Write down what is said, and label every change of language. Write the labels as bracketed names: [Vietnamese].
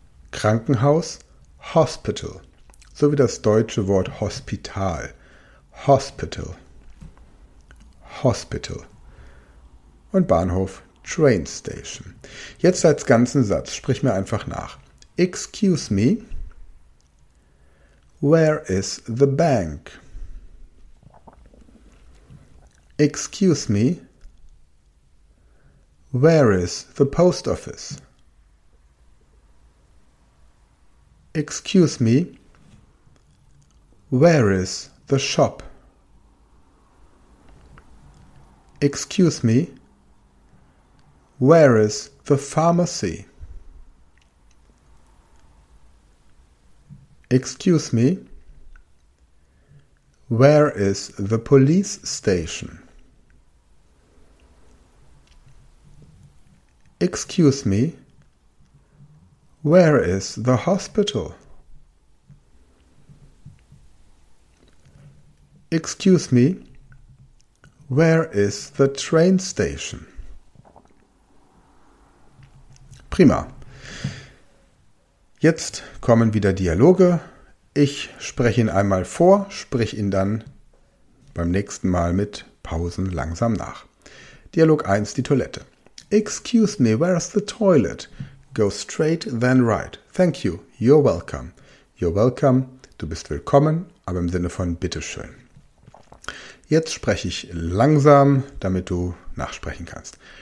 [German] Krankenhaus, Hospital, so wie das deutsche Wort Hospital, Hospital, Hospital und Bahnhof, Train Station. Jetzt als ganzen Satz, sprich mir einfach nach. [English] Excuse me, where is the bank? Excuse me, where is the post office? Excuse me, where is the shop? Excuse me, where is the pharmacy? Excuse me, where is the police station? Excuse me, where is the hospital? Excuse me, where is the train station? [German] Prima. Jetzt kommen wieder Dialoge. Ich spreche ihn einmal vor, sprich ihn dann beim nächsten Mal mit Pausen langsam nach. Dialog 1, die Toilette. [English] Excuse me, where's the toilet? Go straight, then right. Thank you. You're welcome. You're welcome. [German] Du bist willkommen, aber im Sinne von bitteschön. Jetzt spreche ich langsam, damit du nachsprechen kannst.